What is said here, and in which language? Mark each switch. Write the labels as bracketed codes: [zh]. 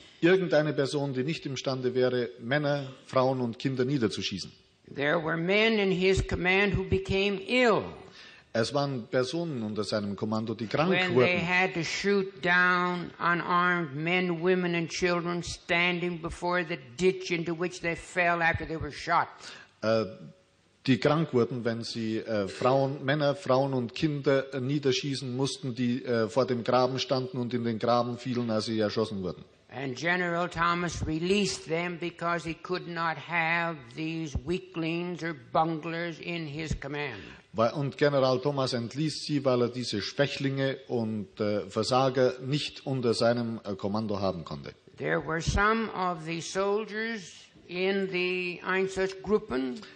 [de] Irgendeine Person, die nicht imstande wäre, Männer, Frauen und Kinder niederzuschießen. [en] There were men in his command who became ill. [de] Es waren Personen unter seinem Kommando, die krank [en] when [de] wurden. [en] They had to shoot down unarmed men, women and children standing before the ditch into which they fell after they were shot. [de] Die krank wurden, wenn sie Frauen, Männer, Frauen und Kinder niederschießen mussten, die vor dem Graben standen und in den Graben fielen, als sie erschossen wurden. [en] And General Thomas released them because he could not have these weaklings or bunglers in his command. [de] Und General Thomas entließ sie, weil er diese Schwächlinge und Versager nicht unter seinem Kommando haben konnte. [en] There were some of the soldiers in the Einsatzgruppen.